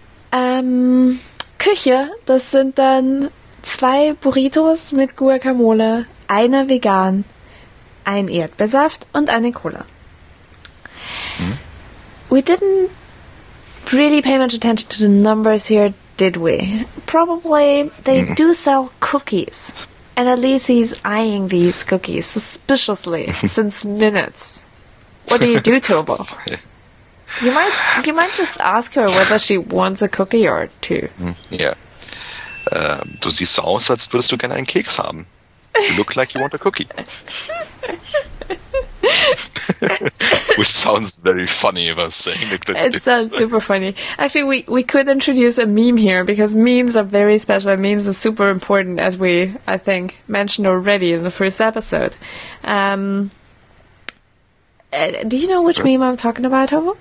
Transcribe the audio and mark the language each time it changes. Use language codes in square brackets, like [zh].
[de] Küche, das sind dann zwei Burritos mit Guacamole, einer vegan, ein Erdbeersaft und eine Cola. [en] We didn't really pay much attention to the numbers here, did we? Probably they do sell cookies. And Alisa is eyeing these cookies suspiciously since minutes. What do you do, Tobo? You might just ask her whether she wants a cookie or two. Yeah. [de] Du siehst so aus, als würdest du gerne einen Keks haben. [en] You look like you want a cookie. Which sounds very funny if I'm saying it. It sounds super funny. Actually, we could introduce a meme here because memes are very special. Memes are super important, as we, I think, mentioned already in the first episode. Do you know which meme I'm talking about, Hovo?